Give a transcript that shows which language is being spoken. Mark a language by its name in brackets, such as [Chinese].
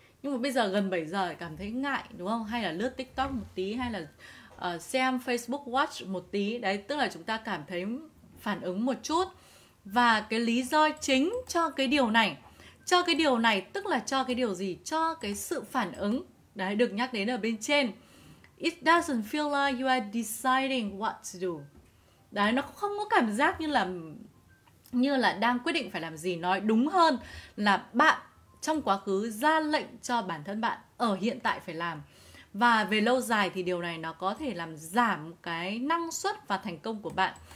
[Vietnamese] Nhưng mà bây giờ gần 7 giờ cảm thấy ngại đúng không? Hay là lướt TikTok một tí hay là xem Facebook Watch một tí. Đấy, tức là chúng ta cảm thấy phản ứng một chút. Và cái lý do chính cho cái điều này, tức là cho cái điều gì? Cho cái sự phản ứng. Đấy, được nhắc đến ở bên trên. [English] It doesn't feel like you are deciding what to do. [Vietnamese] Đấy, nó không có cảm giác như là đang quyết định phải làm gì. Nói đúng hơn là bạn trong quá khứ ra lệnh cho bản thân bạn ở hiện tại phải làm. Và về lâu dài thì điều này nó có thể làm giảm cái năng suất và thành công của bạn.